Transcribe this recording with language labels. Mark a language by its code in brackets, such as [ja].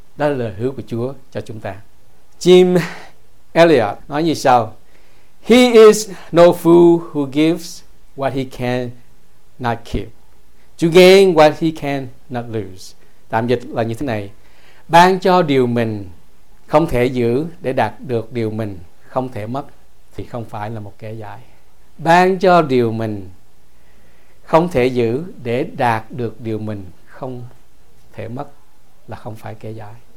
[vi] Đó là lời hứa của Chúa cho chúng ta. [en] Jim Elliot [vi] nói như sau: [en] He is no fool who gives what he can not keep to gain what he can not lose. [vi] Tạm dịch là như thế này: ban cho điều mình không thể giữ để đạt được điều mình không thể mất thì không phải là một kẻ dại. Ban cho điều mình không thể giữ để đạt được điều mình không thể mất là không phải kẻ dại.